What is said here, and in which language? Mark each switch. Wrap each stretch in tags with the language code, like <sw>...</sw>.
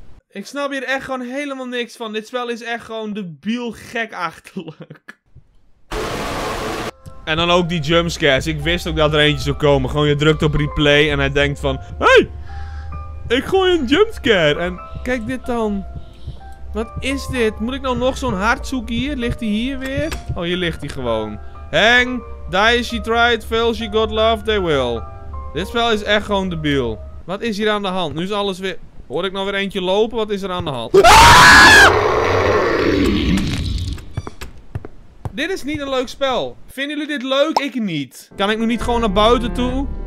<nl>Ik snap hier echt gewoon helemaal niks van. Dit spel is echt gewoon debiel gekachtelijk. En dan ook die jumpscares. Ik wist ook dat er eentje zou komen. Gewoon je drukt op replay en hij denkt van... Hey! Ik gooi een jumpscare. En kijk dit dan. Wat is dit? Moet ik nou nog zo'n hart zoeken hier? Ligt die hier weer? Oh, hier ligt die gewoon.</nl> <en>Hang, die she tried, fail she got love, they will.</en> <nl>Dit spel is echt gewoon debiel. Wat is hier aan de hand? Nu is alles weer... Hoor ik nou weer eentje lopen? Wat is er aan de hand? Ah! Dit is niet een leuk spel. Vinden jullie dit leuk? Ik niet. Kan ik nu niet gewoon naar buiten toe?</nl>